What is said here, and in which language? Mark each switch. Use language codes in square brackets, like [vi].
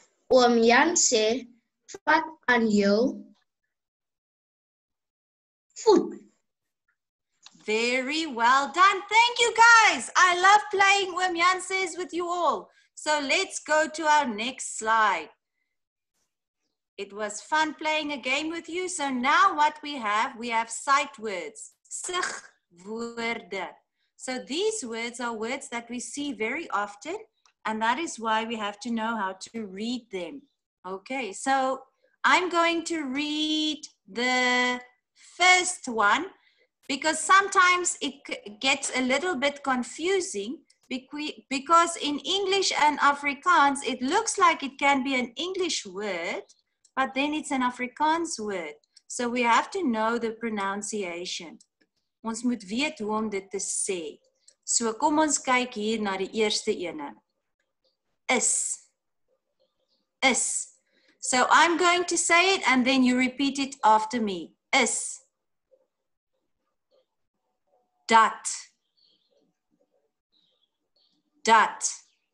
[af] Om Jan sê, vat aan jou voet. [en] Very well done. Thank you, guys. I love playing Om Jan sês with you all. So let's go to our next slide. It was fun playing a game with you. So now what we have sight words. Sigwoorde. So these words are words that we see very often And that is why we have to know how to read them. Okay, so I'm going to read the first one because sometimes it gets a little bit confusing because in English and Afrikaans, it looks like it can be an English word, but then it's an Afrikaans word. So we have to know the pronunciation. [af] Ons moet weet hoe om dit te sê. So kom ons kyk hier na die eerste ene. Is. Is. [en] So I'm going to say it and then you repeat it after me. [af] Is. Dat. Dat.